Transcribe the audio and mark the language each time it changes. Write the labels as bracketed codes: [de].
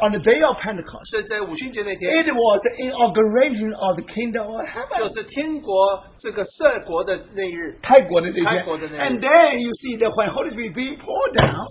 [en] on the day of Pentecost, it was the inauguration of the kingdom of heaven. [zh] 就是天国这个设国的那日, 泰国的那天, [en] and then you see that when Holy Spirit being poured down,